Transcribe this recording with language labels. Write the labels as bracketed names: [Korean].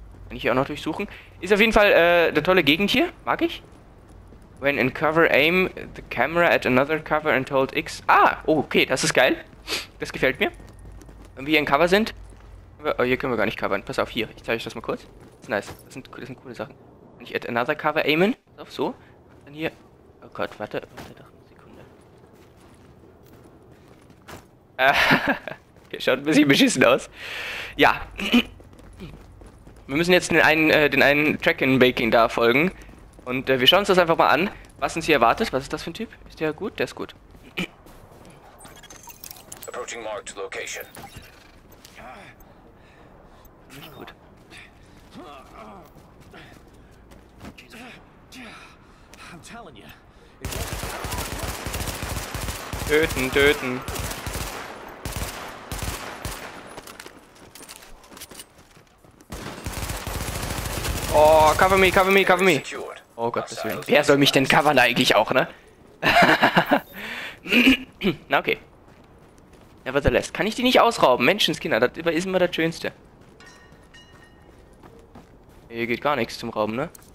[German] Hier auch noch durchsuchen. Ist auf jeden Fall eine tolle Gegend hier. Mag ich. [English] When in cover, aim the camera at another cover and hold X. [German] Ah, okay, das ist geil. Das gefällt mir. Wenn wir hier in Cover sind. Oh, hier können wir gar nicht covern. Pass auf, hier. Ich zeige euch das mal kurz. Das ist nice. Das sind coole Sachen. Kann ich [English] at another cover [German] aimen? Pass auf, so. Dann hier. Oh Gott, warte. Warte doch eine Sekunde. Okay, schaut ein bisschen beschissen aus. Ja. Wir müssen jetzt den einen Track-in-Baking da folgen. Und wir schauen uns das einfach mal an, was uns hier erwartet. Was ist das für ein Typ? Ist der gut? Der ist gut. [English] Approaching marked location. [German] Nicht gut. [English] I'm telling you. [German] Töten, töten. [English] Oh, cover me, cover me, cover me. [German] Oh Gott, das will. Wer soll mich denn covern eigentlich auch, ne? Na, okay. Nevertheless, kann ich die nicht ausrauben? Menschenskinder, das ist immer das Schönste. Hier geht gar nichts zum Rauben, ne?